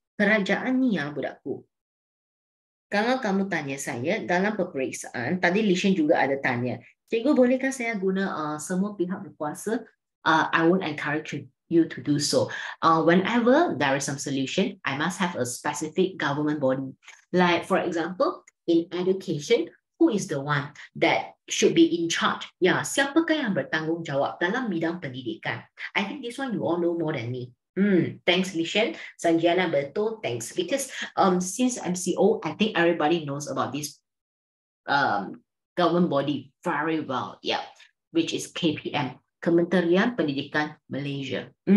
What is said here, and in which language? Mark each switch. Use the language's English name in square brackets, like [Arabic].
[Malay] Kerajaan ni ya, budakku. Kalau kamu tanya saya, dalam peperiksaan, tadi Lishan juga ada tanya, cikgu bolehkah saya guna semua pihak berkuasa? [English] I won't encourage you to do so. Whenever there is some solution, I must have a specific government body. Like, for example, in education, who is the one that should be in charge? [Malay] Yeah, siapakah yang bertanggungjawab dalam bidang pendidikan? [English] I think this one you all know more than me. Thanks, Lishan. Sanjiana betul, thanks. Because since MCO, I think everybody knows about this government body very well. Yeah, which is KPM, Kementerian Pendidikan Malaysia.